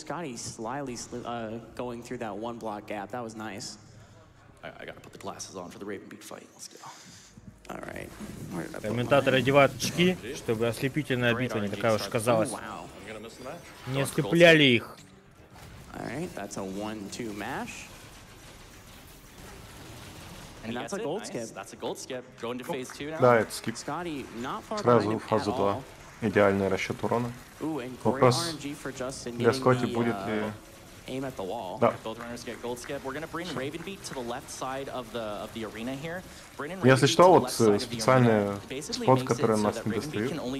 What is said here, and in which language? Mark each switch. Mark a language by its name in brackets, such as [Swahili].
[English] Scotty slyly going through that one block gap. That was nice. I gotta put the glasses on for the Ravenbeak fight. Let's go. All right. [Russian] Комментаторы одевают очки, чтобы ослепительная битва не такая уж казалась. Не ослепляли их. [English] All right, that's a 1-2 mash. And that's a gold skip. That's a gold skip. Going to phase 2 now. [Russian] Да, это скип. Scotty, [English] not far behind at all. [Russian] Сразу в фазу 2. Идеальный расчет урона. Вопрос для Скотти будет ли... [English] Aim at the wall. Yeah. Both runners get gold skip. We're gonna bring Ravenbeak to the left side of the arena here. [Russian] Если что, вот специальный спот, который нас не достает.